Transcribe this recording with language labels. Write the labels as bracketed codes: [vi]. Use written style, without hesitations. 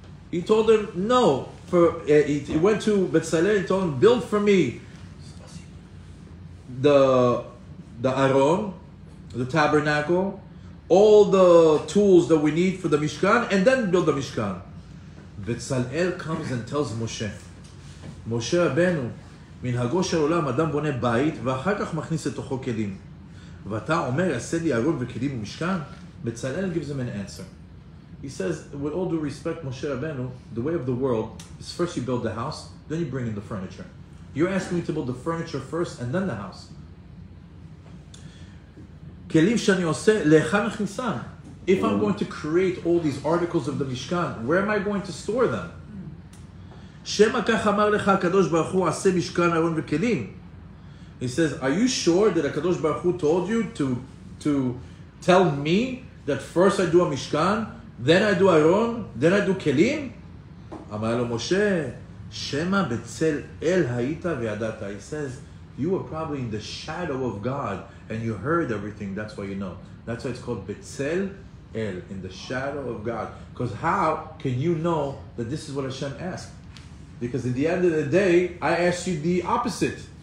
[en] He told him, no. He went to Betzalel and told him, build for me the Aron, the tabernacle, all the tools that we need for the Mishkan, and then build the Mishkan. Betzalel comes and tells Moshe, Moshe Rabbeinu, [he] מנהגו של עולם, אדם בונה בית, ואחר כך מכניס לתוכו כלים. ואתה אומר, עשה לי ארון וכלים ומשכן? [en] בצלאל gives him an answer. He says, with all due respect, Moshe Rabbeinu, the way of the world is first you build the house, then you bring in the furniture. You're asking me to build the furniture first and then the house. [he] כלים שאני עושה, לאחר מכניסן. [en] If I'm going to create all these articles of the Mishkan, where am I going to store them? [he] שמה כך אמר לך הקדוש ברוך הוא עשה משכן ארון וכלים. [en] He says, are you sure that הקדוש ברוך הוא told you to tell me that first I do a משכן? Then I do Aaron, then I do Kelim. [he] אמר לו משה, שמה בצל אל היית וידעת. [en] He says, you were probably in the shadow of God and you heard everything, that's why you know. That's why it's called בצל אל, in the shadow of God. Because how can you know that this is what Hashem asked? Because at the end of the day, I asked you the opposite.